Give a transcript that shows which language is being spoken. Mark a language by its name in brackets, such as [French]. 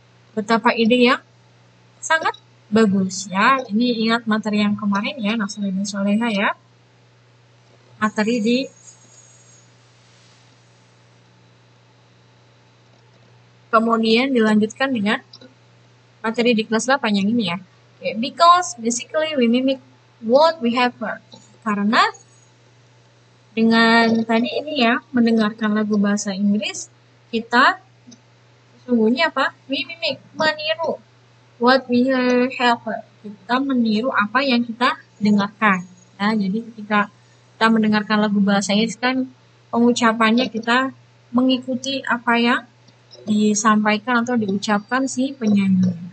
[Indonesian] Betapa ide yang sangat bagus, ya. Ini ingat materi yang kemarin, ya, Nasrul dan Soleha, ya. Materi di kemudian dilanjutkan dengan materi di kelas 8 yang ini, ya. [English] Okay. Because basically we mimic what we have heard. [Indonesian] Karena dengan tadi ini, ya, mendengarkan lagu bahasa Inggris, kita sesungguhnya apa? [English] We mimic, meniru what we have heard. [Indonesian] Kita meniru apa yang kita dengarkan. Nah, jadi ketika kita mendengarkan lagu bahasa Inggris, kan pengucapannya kita mengikuti apa yang disampaikan atau diucapkan si penyanyi.